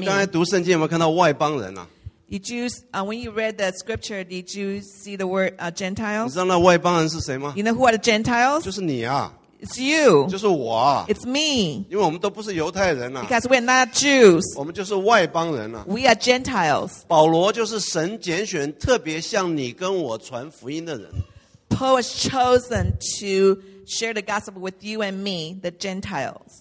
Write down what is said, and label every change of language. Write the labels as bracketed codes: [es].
[zh] 你们刚才读圣经有没有看到外邦人啊? [en] Did you, when you read the scripture, did you see the word Gentiles? [zh] 你知道那外邦人是谁吗? [en] You know who are the Gentiles? [zh] 就是你啊。 [en] It's you. [zh] 就是我啊。 [en] It's me. [zh] 因为我们都不是犹太人啊。 [en] Because we're not Jews. [zh] 我们就是外邦人啊。 [en] We are Gentiles. [zh] 保罗就是神拣选特别向你跟我传福音的人。 [en] Paul has chosen to share the gospel with you and me, the Gentiles.